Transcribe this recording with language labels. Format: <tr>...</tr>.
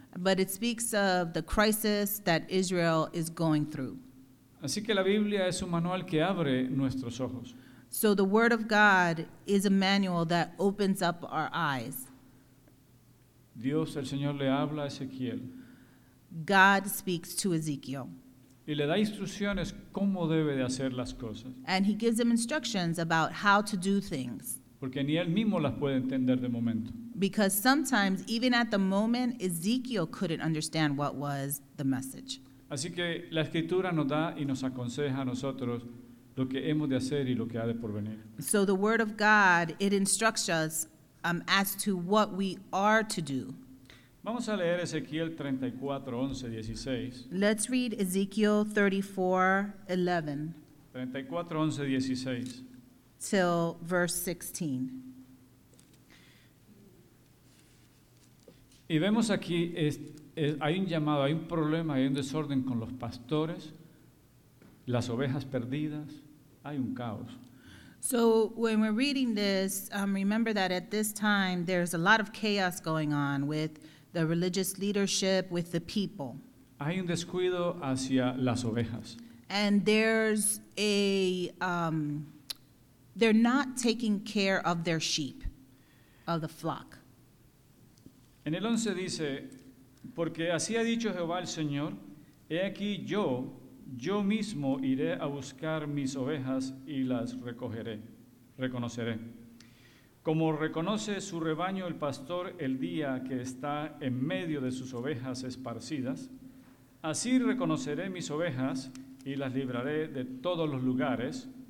<en>But it speaks of the crisis that Israel is going through.</en> <es>Así que la Biblia es un manual que abre nuestros ojos.</es> <en>So the word of God is a manual that opens up our eyes.</en> <es>Dios, el Señor, le habla a Ezequiel.</es> <en>God speaks to Ezekiel.</en> <es>Y le da instrucciones cómo debe de hacer las cosas.</es> <en>And he gives him instructions about how to do things.</en> <es>Porque ni él mismo las puede entender de momento.</es> <en>Because sometimes, even at the moment, Ezekiel couldn't understand what was the message.</en> <es>Así que la Escritura nos da y nos aconseja a nosotros lo que hemos de hacer y lo que ha de porvenir.</es> <en>So the Word of God, it instructs us as to what we are to do.</en> <es>Vamos a leer Ezequiel 34, 11, 16.</es> <en>Let's read Ezekiel 34, 11. 34, 11, 16. Till verse 16.</en> <es>Y vemos aquí, hay un llamado, hay un problema, hay un desorden con los pastores, las ovejas perdidas, hay un caos.</es> <en>So when we're reading this, remember that at this time there's a lot of chaos going on with the religious leadership, with the people.</en> <es>Hay un descuido hacia las ovejas.</es> <en>And there's they're not taking care of their sheep, of the flock.</en> <es>En el 11 dice, porque así ha dicho Jehová el Señor, he aquí yo mismo iré a buscar mis ovejas y las recogeré, reconoceré. Como reconoce su rebaño el pastor el día que está en medio de sus ovejas esparcidas, así reconoceré mis ovejas y las libraré de todos los lugares,</es>